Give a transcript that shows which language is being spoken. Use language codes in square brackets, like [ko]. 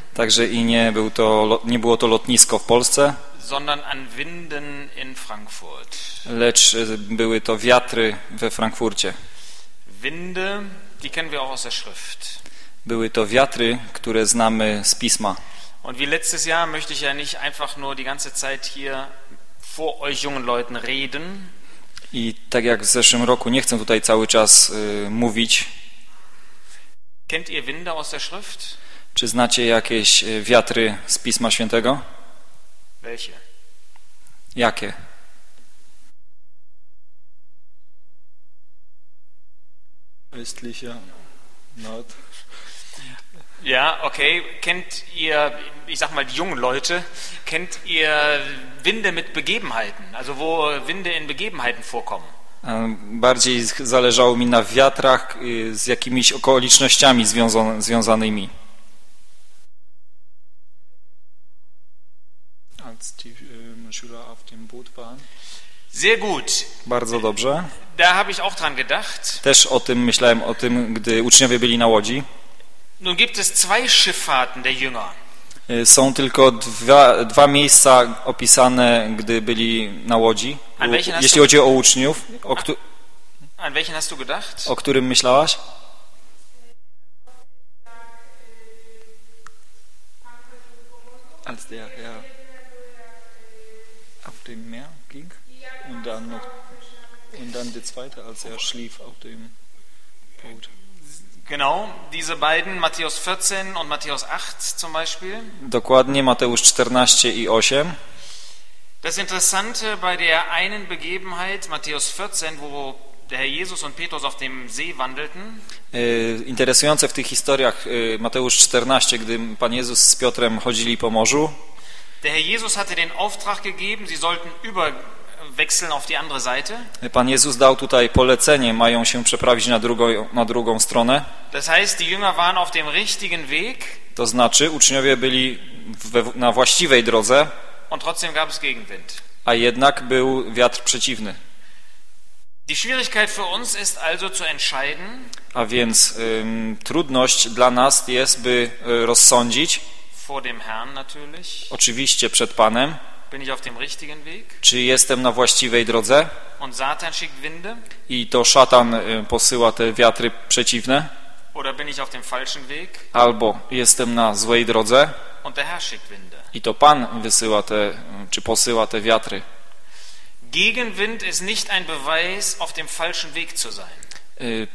[pl] Także i nie było to lotnisko w Polsce. [de] Sondern an Winden in Frankfurt. [pl] Lecz były to wiatry we Frankfurcie. [de] Winde, die kennen wir auch aus der Schrift. [pl] Były to wiatry, które znamy z pisma. [de] Und wie letztes Jahr möchte ich ja nicht einfach nur die ganze Zeit hier vor euch jungen Leuten reden. [pl] I tak jak w zeszłym roku nie chcę tutaj cały czas mówić. [de] Kennt ihr Winde aus der Schrift? [pl] Czy znacie jakieś wiatry z Pisma Świętego? [de] Welche? [pl] Jakie? [de] Östlicher Nord. Ja, okay. Kennt ihr, ich sag mal die jungen Leute, kennt ihr Winde mit Begebenheiten? Also wo Winde in Begebenheiten vorkommen? [pl] Bardziej zależało mi na wiatrach z jakimiś okolicznościami związanymi. [de] Als die Schüler auf dem Boot waren. Sehr gut. [pl] Bardzo dobrze. [de] Da habe ich auch dran gedacht. [pl] Też o tym myślałem, o tym, gdy uczniowie byli na łodzi. [de] Nun gibt es zwei Schifffahrten der Jünger. [pl] Są tylko dwa miejsca opisane, gdy byli na łodzi. Jeśli chodzi o uczniów, [de] an welchen hast du gedacht? [pl] O którym myślałaś? [de] Als der Herr auf dem Meer ging und dann der zweite, als er schlief auf dem Boot. Genau, diese beiden, Matthäus 14 und Matthäus 8 zum Beispiel. [pl] Dokładnie, Mateusz 14 i 8. [de] Das Interessante bei der einen Begebenheit, Matthäus 14, wo der Herr Jesus und Petrus auf dem See wandelten. [pl] Interesujące w tych historiach, Mateusz 14, gdy Pan Jezus z Piotrem chodzili po morzu. [de] Der Herr Jesus hatte den Auftrag gegeben, sie sollten wechseln auf die andere Seite. [pl] Pan Jezus dał tutaj polecenie, mają się przeprawić na drugą stronę. [de] Das heißt, die Jünger waren auf dem richtigen Weg. [pl] To znaczy, uczniowie byli na właściwej drodze. [de] Und trotzdem gab es Gegenwind. [pl] A jednak był wiatr przeciwny. [de] Die Schwierigkeit für uns ist also zu entscheiden. [pl] A więc trudność dla nas jest, by rozsądzić. [de] Vor dem Herrn natürlich. [pl] Oczywiście przed Panem. [de] Bin ich auf dem richtigen Weg? [pl] Czy jestem na właściwej drodze? [de] Und Satan schickt Winde? [pl] I to szatan posyła te wiatry przeciwne? [de] Oder bin ich auf dem falschen Weg? [pl] Albo jestem na złej drodze? [de] Und der Herr schickt Winde. [pl] I to Pan wysyła te, czy posyła te wiatry? [de] Gegenwind ist nicht ein Beweis, auf dem falschen Weg zu sein.